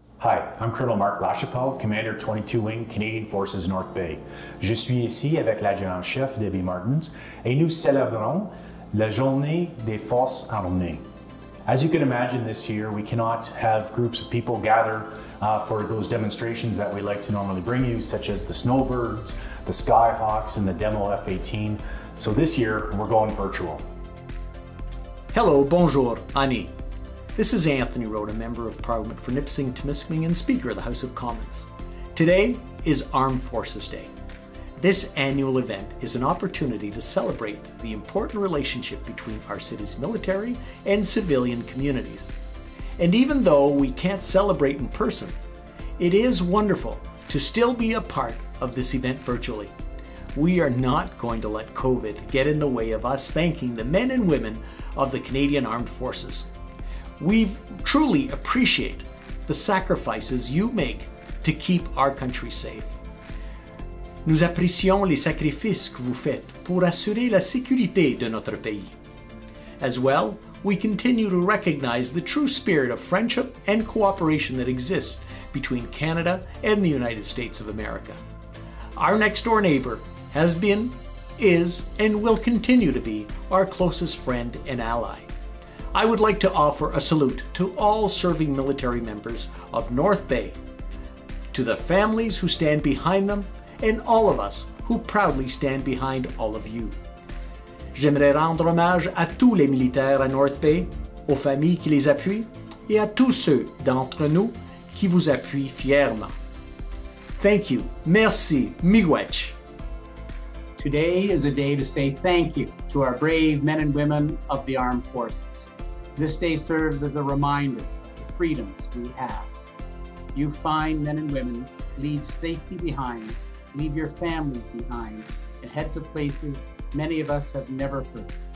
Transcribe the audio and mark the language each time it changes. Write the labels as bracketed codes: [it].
[en] Hi, I'm Colonel Marc Lachapelle, Commander 22 Wing, Canadian Forces North Bay. [fr] Je suis ici avec l'adjudant-chef Debbie Martins, et nous célébrons la Journée des Forces Armées. [en] As you can imagine this year, we cannot have groups of people gather for those demonstrations that we like to normally bring you, such as the Snowbirds, the Skyhawks, and the Demo F-18. So this year, we're going virtual. Hello, bonjour, Annie. This is Anthony Rota, Member of Parliament for Nipissing, Temiskaming, and Speaker of the House of Commons. Today is Armed Forces Day. This annual event is an opportunity to celebrate the important relationship between our city's military and civilian communities. And even though we can't celebrate in person, it is wonderful to still be a part of this event virtually. We are not going to let COVID get in the way of us thanking the men and women of the Canadian Armed Forces. We truly appreciate the sacrifices you make to keep our country safe. [fr] Nous apprécions les sacrifices que vous faites pour assurer la sécurité de notre pays. [en] As well, we continue to recognize the true spirit of friendship and cooperation that exists between Canada and the United States of America. Our next door neighbor has been, is, and will continue to be our closest friend and ally. I would like to offer a salute to all serving military members of North Bay, to the families who stand behind them, and all of us who proudly stand behind all of you. [fr] J'aimerais rendre hommage à tous les militaires à North Bay, aux familles qui les appuient, et à tous ceux d'entre nous qui vous appuient fièrement. [en] Thank you. Merci. Miigwech. Today is a day to say thank you to our brave men and women of the armed forces. This day serves as a reminder of the freedoms we have. You fine men and women leave safety behind, leave your families behind, and head to places many of us have never heard.